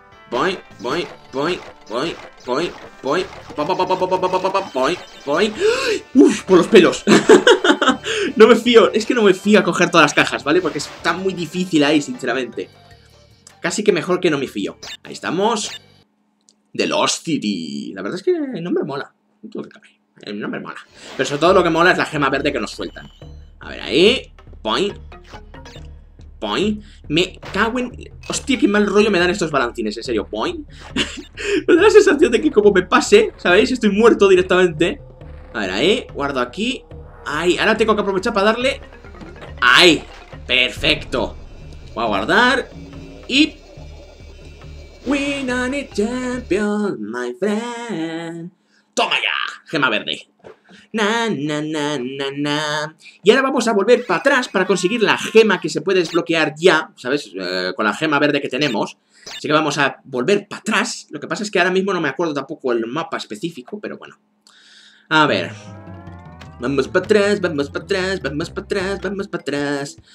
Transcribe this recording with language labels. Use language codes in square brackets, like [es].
[en] Point, point, point, point, point, point, point, point, point, point, point, point, point, point, point, point, point, [es] por los pelos. No me fío, es que no me fío a coger todas las cajas, ¿vale? Porque está muy difícil ahí, sinceramente. Casi que mejor que no me fío. Ahí estamos. The Lost City. La verdad es que el nombre mola. El nombre mola. Pero sobre todo lo que mola es la gema verde que nos sueltan. A ver, ahí. [en] Point. Point. [es] Me cago en... hostia, qué mal rollo me dan estos balancines, en serio. [en] Point. [es] Me da la sensación de que como me pase, ¿sabéis? Estoy muerto directamente. A ver, ahí. Guardo aquí. Ahí, ahora tengo que aprovechar para darle. Ahí, perfecto. Voy a guardar. Y [en] we are the champions, my friend. [es] Toma ya, gema verde. Na, na, na, na, na. Y ahora vamos a volver para atrás para conseguir la gema que se puede desbloquear ya, ¿sabes? Con la gema verde que tenemos. Así que vamos a volver para atrás. Lo que pasa es que ahora mismo no me acuerdo tampoco el mapa específico, pero bueno. A ver. Vamos para atrás, vamos para atrás, vamos para atrás, vamos para atrás.